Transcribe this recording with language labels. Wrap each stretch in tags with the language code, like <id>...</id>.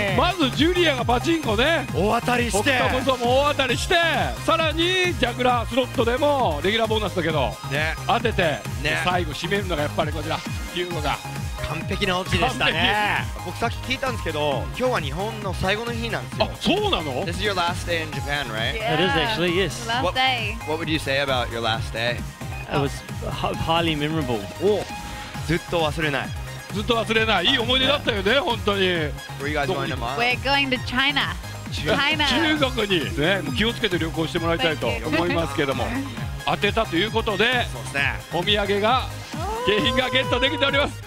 <ja>まずジュリアがパチンコね、大当たりして、北斗無双も大当たりして、さらにジャグラースロットでもレギュラーボーナスだけど、ね、当てて、ね、最後締めるのがやっぱりこちら、ヒューゴが完璧なオチでしたね。僕さっき聞いたんですけど、今日は日本の最後の日なんですよ。あ、そうなの。</ja> <en>This is your last day in Japan, right? Yeah, it is actually, yes. Last day. What would you say about your last day? It was highly memorable.</en> <ja>ずっと忘れない、ずっと忘れない、いい思い出だったよね、本当に。</ja> <en>Where are you guys going tomorrow? We're going to China.</en> <ja>中国に、ね、気をつけて旅行してもらいたいと思いますけども当てたということ で、そうです、ね、お土産が景品がゲットできております。</ja>